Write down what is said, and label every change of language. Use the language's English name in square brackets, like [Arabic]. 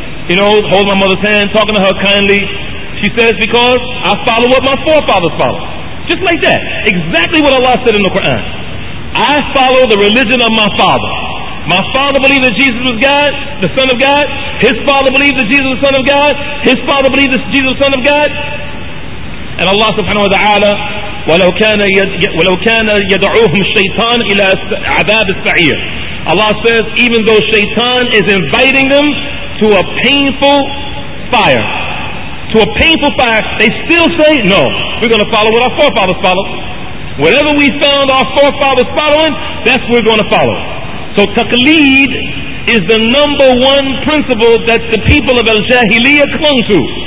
[English] You know, holding my mother's hand, talking to her kindly. She says, because I follow what my forefathers followed. Just like that. Exactly what Allah said in the Quran. I follow the religion of my father. My father believed that Jesus was God, the Son of God. His father believed that Jesus was the Son of God. His father believed that Jesus was the Son of God. [Arabic] And Allah subhanahu wa ta'ala, وَلَوْ كَانَ يَدْعُوهُمْ الشَّيْطَانِ إِلَىٰ عَذَابِ السَّعِيرِ. [English] Allah says, even though shaitan is inviting them to a painful fire, to a painful fire, they still say, no, we're going to follow what our forefathers followed. Whatever we found our forefathers following, that's what we're going to follow. So taqleed is the number one principle that the people of al-Jahiliyyah clung to.